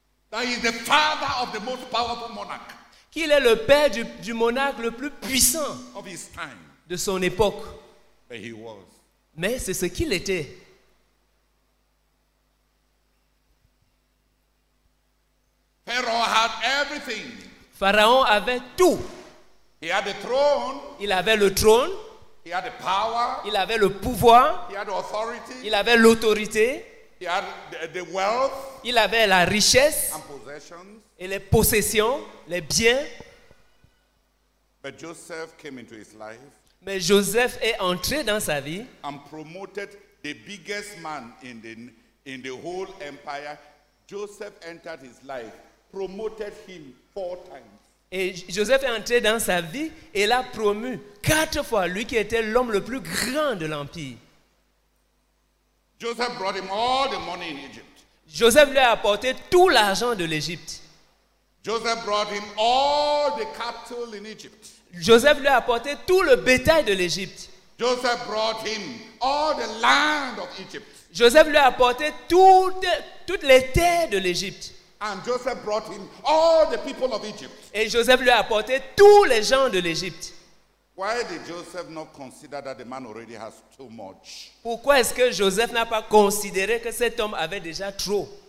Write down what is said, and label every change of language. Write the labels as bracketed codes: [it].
[en] that he is the father of the most powerful monarch, [fr] qu'il est le père du monarque le plus puissant [en] of his time, [fr] de son époque. [en] But he was. [fr] Mais c'est ce qu'il était. [en] Pharaoh had everything. [fr] Pharaon avait tout. [en] He had the throne. [fr] Il avait le trône. [en] He had the power. [fr] Il avait le pouvoir. [en] He had the authority. [fr] Il avait l'autorité. [en] He had the wealth. [fr] Il avait la richesse [en] and possessions. [fr] Et les possessions, les biens. [en] But Joseph came into his life. [fr] Mais Joseph est entré dans sa vie. [en] And promoted the biggest man in the whole empire. Joseph entered his life, promoted him 4 times. [fr] Et Joseph est entré dans sa vie et l'a promu 4 fois, lui qui était l'homme le plus grand de l'empire. [en] Joseph brought him all the money in Egypt. [fr] Joseph lui a apporté tout l'argent de l'Égypte. [en] Joseph brought him all the cattle in Egypt. [fr] Joseph lui a apporté tout le bétail de l'Égypte. [en] Joseph brought him all the land of Egypt. [fr] Joseph lui a apporté toutes les terres de l'Égypte. [en] And Joseph brought him all the people of Egypt. [fr] Et Joseph lui a apporté tous les gens de l'Égypte. [en] Why did Joseph not consider that the man already has too much? [fr] Pourquoi est-ce que Joseph n'a pas considéré que cet homme avait déjà trop?